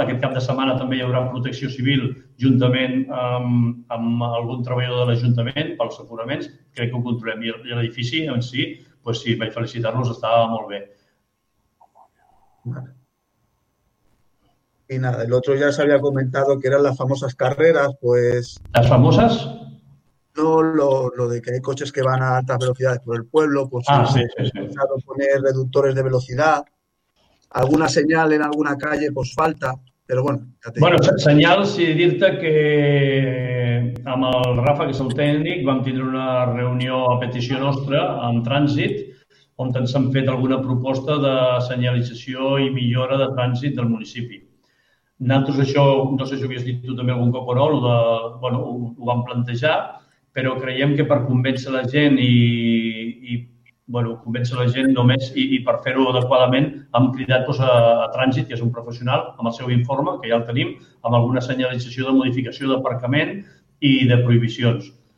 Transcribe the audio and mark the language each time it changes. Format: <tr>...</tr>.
<ca>Aquest cap de setmana també hi haurà protecció civil juntament amb algun treballador de l'Ajuntament pels aforaments. Crec que ho controlem. I l'edifici en si, doncs sí, vaig felicitar-los, estava molt bé. I nada, l'altre ja s'havia comentat que eren les famoses carreres, pues... Les famoses?</ca> <es>No, lo de que hay coches que van a altas velocidades por el pueblo, pues sí. Poner reductores de velocidad, alguna señal en alguna calle, pues falta, pero bueno. Ya te bueno, señales y dirte que</es> <ca>amb el Rafa, que es el tècnic, vam tindre una reunió a petició nostra en trànsit, on ens han fet alguna proposta de senyalització i millora de trànsit del municipi. Nosaltres això, no sé si ho havies dit tu també algun cop o no, ho vam plantejar, però creiem que per convèncer la gent i per fer-ho adequadament hem cridat doncs, a Trànsit, que és un professional, amb el seu informe, que ja el tenim, amb alguna senyalització de modificació d'aparcament i de prohibicions.</ca>